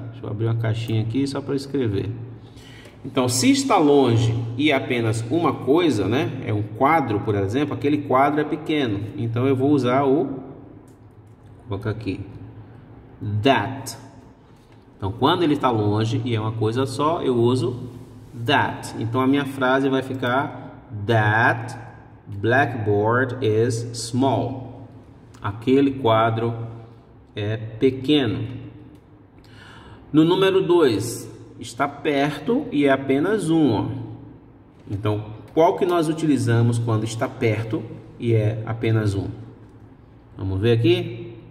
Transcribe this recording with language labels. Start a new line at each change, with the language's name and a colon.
Portuguese: Deixa eu abrir uma caixinha aqui só para escrever. Então, se está longe e é apenas uma coisa, né? É um quadro, por exemplo, aquele quadro é pequeno. Então, eu vou usar o... Vou colocar aqui. That. Então, quando ele está longe e é uma coisa só, eu uso that. Então, a minha frase vai ficar...
English: That blackboard is small.
Portuguese: Aquele quadro é pequeno. No número 2... Está perto e é apenas um. Ó. Então, qual que nós utilizamos quando está perto e é apenas um? Vamos ver aqui?